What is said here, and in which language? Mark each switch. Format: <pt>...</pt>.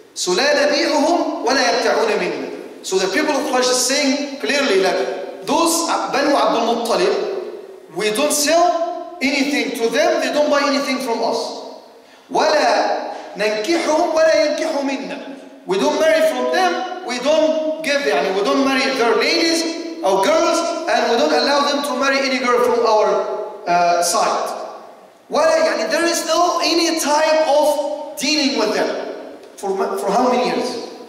<en>So</en> <ar>لا نبيعهم ولا يبتعون منهم.</ar> <en>So the people of Quraysh is saying clearly, like, those Banu Abdul Muttalib, we don't sell anything to them, they don't buy anything from us.</en> <ar>ولا ننكحهم ولا ينكحوا منا.</ar> <en>We don't marry from them, we don't marry their ladies or girls, and we don't allow them to marry any girl from our side.</en> <ar>ولا, يعني,</ar> <en>there is no any type of dealing with them. For how many years?</en>